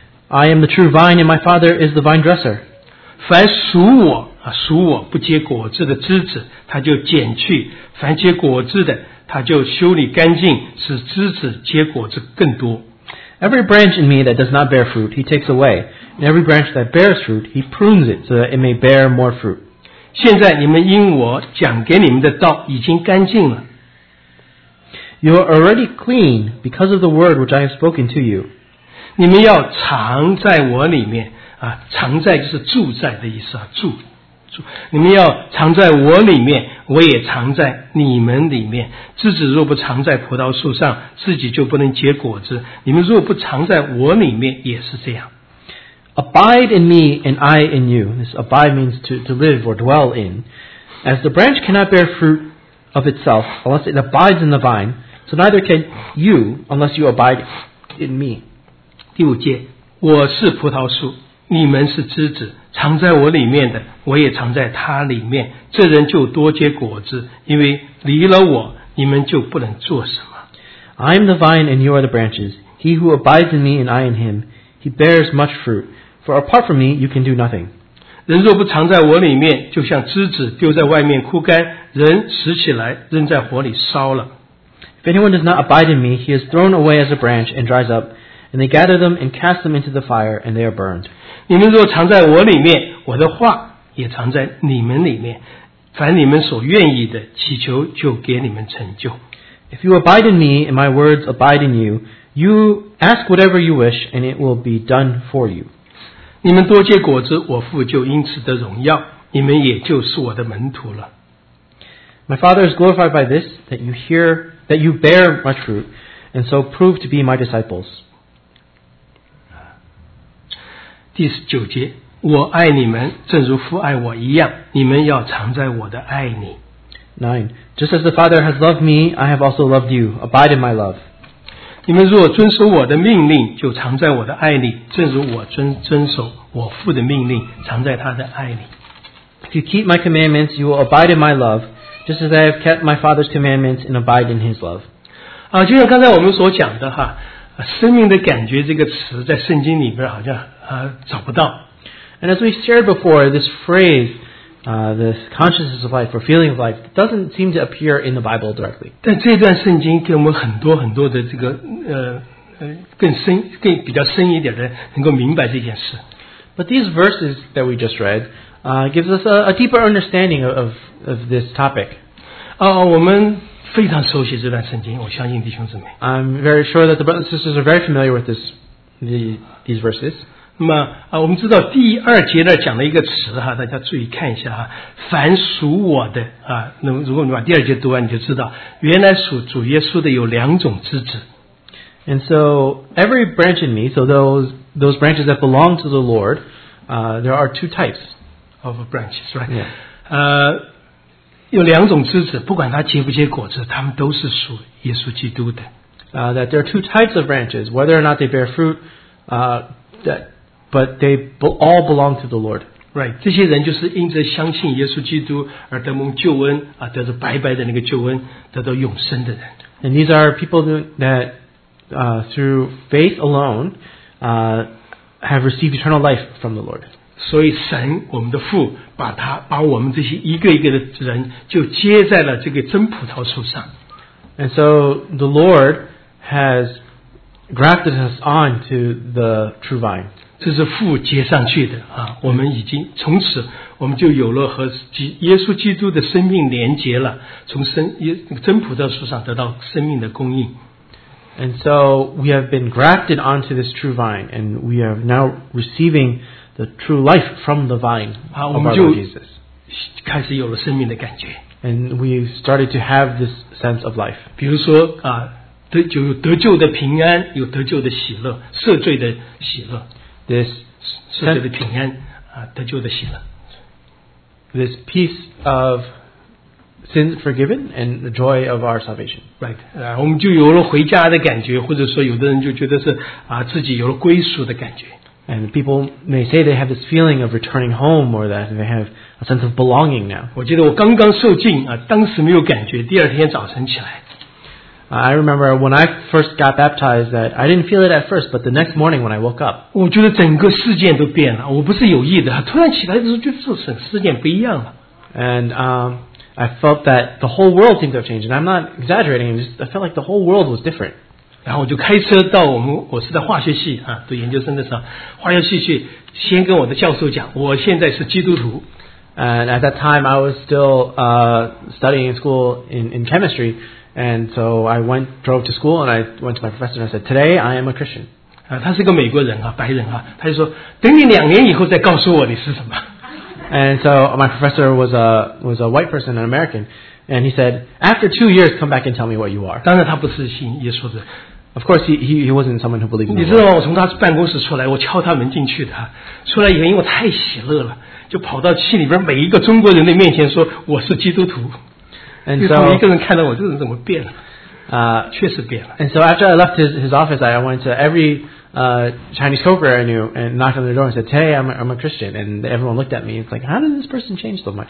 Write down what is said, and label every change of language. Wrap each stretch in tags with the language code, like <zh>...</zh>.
<en>I am the true vine, and my Father is the vine dresser.</en> <zh>凡属我啊，属我不结果子的枝子，他就剪去；凡结果子的，他就修理干净，使枝子结果子更多。</zh> <en>Every branch in me that does not bear fruit, he takes away. And every branch that bears fruit, he prunes it, so that it may bear more fruit.</en> <zh>现在你们因我讲给你们的道已经干净了。</zh> <en>You are already clean because of the word which I have spoken to you.</en> <zh>你们要藏在我里面，啊，藏在就是住在的意思啊，住。你们要藏在我里面，我也藏在你们里面。枝子若不藏在葡萄树上，自己就不能结果子。你们若不藏在我里面，也是这样。</zh> <en>Abide in me, and I in you. This abide means to live or dwell in. As the branch cannot bear fruit of itself unless it abides in the vine, so neither can you unless you abide in me.</en> <zh>第五节，我是葡萄树，你们是枝子。藏在我里面的，我也藏在他里面。这人就多结果子，因为离了我，你们就不能做什么。</zh> <en>I am the vine, and you are the branches. He who abides in me, and I in him, he bears much fruit. For apart from me, you can do nothing.</en> <zh>人若不藏在我里面，就像枝子丢在外面枯干，人拾起来扔在火里烧了。</zh> <en>If anyone does not abide in me, he is thrown away as a branch and dries up, and they gather them and cast them into the fire, and they are burned.</en> <zh>你们若藏在我里面，我的话也藏在你们里面。凡你们所愿意的，祈求就给你们成就。</zh> <en>If you abide in me and my words abide in you, you ask whatever you wish and it will be done for you.</en> <zh>你们多结果子，我父就因此得荣耀，你们也就是我的门徒了。</zh> <en>My Father is glorified by this, that you bear much fruit, and so prove to be my disciples.</en> <zh>第九节，我爱你们，正如父爱我一样，你们要藏在我的爱里。</zh> <en>9. Just as the Father has loved me, I have also loved you. Abide in my love.</en> <zh>你们若遵守我的命令，就藏在我的爱里，正如我遵守我父的命令，藏在他的爱里。</zh> <en>If you keep my commandments, you will abide in my love, just as I have kept my Father's commandments and abide in his love.</en> <zh>啊，就像刚才我们所讲的哈，生命的感觉这个词在圣经里边好像。找不到。</zh> <en>And as we shared before, this phrase, this consciousness of life or feeling of life doesn't seem to appear in the Bible directly.</en> <zh>但这段圣经给我们很多很多的这个更比较深一点的能够明白这件事。</zh> <en>But these verses that we just read, gives us a deeper understanding of this topic.</en> <zh>我们非常熟悉这段圣经，我相信弟兄姊妹。</zh> <en>I'm very sure that the brothers and sisters are very familiar with these verses.</en> <zh>那么我们知道第二节呢讲了一个词哈，大家注意看一下哈，凡属我的啊，那如果你把第二节读完，你就知道原来属主耶稣的有两种枝子。</zh> <en>And so every branch in me, so those branches that belong to the Lord, there are two types of branches, right? Yeah.</en> <zh>有两种枝子，不管它结不结果子，它们都是属耶稣基督的。</zh> <en>That there are two types of branches, whether or not they bear fruit, but they all belong to the Lord. Right.</en> <zh>这些人就是因着相信耶稣基督而得蒙救恩，得着白白的那个救恩，得到永生的人。</zh> <en>And these are people that, through faith alone, have received eternal life from the Lord.</en> <zh>所以神，我们的父，把我们这些一个一个的人，就接在了这个真葡萄树上。</zh> <en>And so the Lord has grafted us on to the true vine.</en> <zh>这是父接上去的啊，我们已经从此我们就有了和耶稣基督的生命连结了，从真葡萄树上得到生命的供应。</zh> <en>And so we have been grafted onto this true vine, and we are now receiving the true life from the vine of our Lord Jesus.</en> <zh>开始有了生命的感觉。</zh> <en>And we started to have this sense of life.</en> <zh>比如说啊。就有得救的平安，有得救的喜乐，赦罪的喜乐。</zh> <en>This</en> <zh>赦罪的平安啊，得救的喜乐。</zh> <en>This peace of sins forgiven and the joy of our salvation. Right.</en> <zh>我们就有了回家的感觉，或者说有的人就觉得是啊，自己有了归属的感觉。</zh> <en>And people may say they have this feeling of returning home, or that they have a sense of belonging now.</en> <zh>我记得我刚刚受浸啊，当时没有感觉，第二天早晨起来。</zh> <en>I remember when I first got baptized that I didn't feel it at first, but the next morning when I woke up,</en> <zh>我觉得整个世界都变了，我不是有意的，突然起来的时候就是整个世界不一样了。</zh> <en>And I felt that the whole world seemed to have changed, and I'm not exaggerating, I felt like the whole world was different.</en> <zh>然后我就开车到我是在化学系啊，读研究生的时候，化学系去先跟我的教授讲，我现在是基督徒。</zh> <en>And at that time I was still studying in school in chemistry. And so I drove to school and I went to my professor and I said, Today I am a Christian.</en> <zh>他是个美国人啊，白人啊，他就说，等你两年以后再告诉我你是什么。</zh> <en>And so my professor was a white person, an American. And he said, After 2 years, come back and tell me what you are.</en> <zh>当然他不是信耶稣的。</zh> <en>Of course, he wasn't someone who believed in the Lord.</en> <zh>你知道我从他办公室出来，我敲他门进去的。出来以后，因为我太喜乐了，就跑到心里边每一个中国人的面前说，我是基督徒。</zh> <en>And so,</en> <zh>一个人看到我这人怎么变了？确实变了。</zh> <en>And so after I left his office, I went to every Chinese coworker I knew and knocked on their door and said, "Hey, I'm a Christian." And everyone looked at me. It's like, how did this person change so much?</en>